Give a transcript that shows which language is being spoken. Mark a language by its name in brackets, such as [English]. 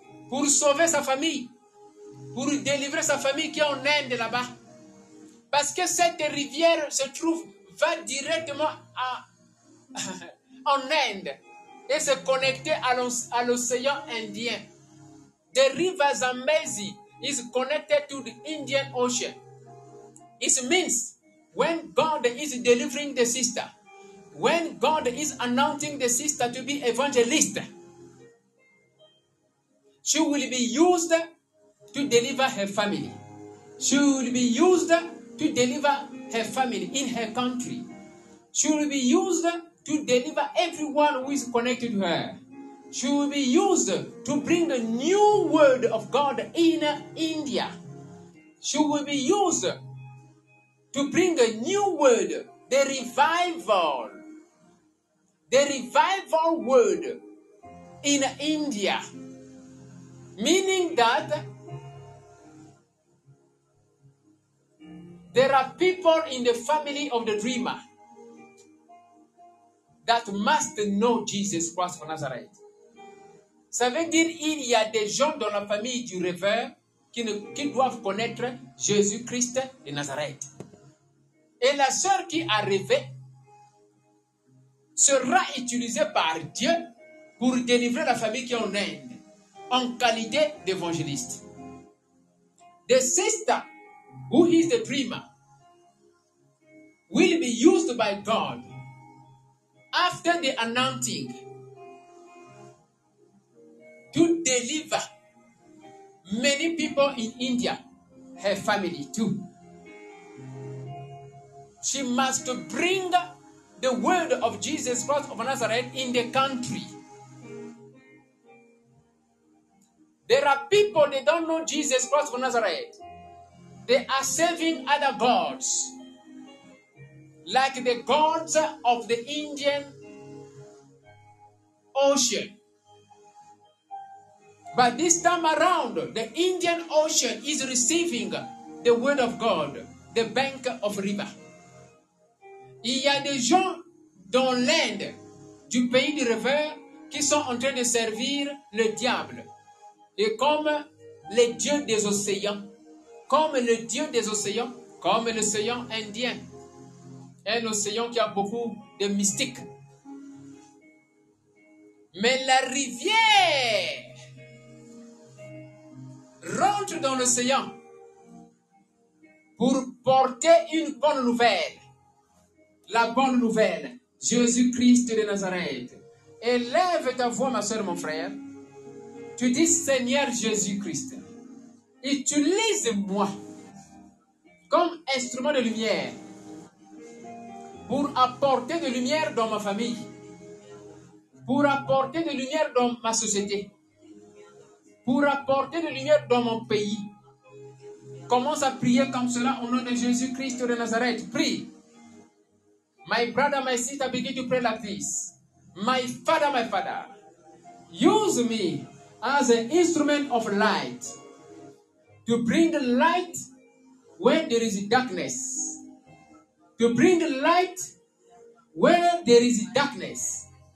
[French] Pour sauver sa famille, pour délivrer sa famille qui est en Inde là-bas. Parce que cette rivière se trouve, va directement en Inde et se connecter à l'océan Indien. [English] The river Zambezi is connected to the Indian Ocean. It means when God is delivering the sister, when God is anointing the sister to be evangelist, she will be used to deliver her family. She will be used to deliver her family in her country. She will be used to deliver everyone who is connected to her. She will be used to bring a new word of God in India. She will be used to bring a new word, the revival. The revival word in India. Meaning that There are people in the family of the dreamer that must know Jesus Christ of Nazareth. [French] Ça veut dire qu'il y a des gens dans la famille du rêveur qui doivent connaître Jésus-Christ de Nazareth. Et la sœur qui a rêvé sera utilisée par Dieu pour délivrer la famille qui est en Inde en qualité d'évangéliste. [English] The sister who is the dreamer will be used by God after the anointing to deliver many people in India, her family too. She must bring the word of Jesus Christ of Nazareth in the country. There are people, they don't know Jesus Christ of Nazareth. They are serving other gods, like the gods of the Indian Ocean. But this time around, the Indian Ocean is receiving the word of God, the bank of river. [French] Il y a des gens dans l'Inde, du pays du rêveur, qui sont en train de servir le diable. Et comme les dieux des océans, comme le dieu des océans, comme l'océan indien, un océan qui a beaucoup de mystiques. Mais la rivière rentre dans l'océan pour porter une bonne nouvelle. La bonne nouvelle, Jésus-Christ de Nazareth. Élève ta voix, ma soeur, mon frère. Tu dis, Seigneur Jésus-Christ, utilise-moi comme instrument de lumière pour apporter de lumière dans ma famille, pour apporter de lumière dans ma société, pour apporter de lumière dans mon pays. Commence à prier comme cela au nom de Jésus-Christ de Nazareth. Prie. [English] My brother, my sister, begin to pray like this. My father, use me as an instrument of light to bring light where there is darkness. To bring light where there is darkness.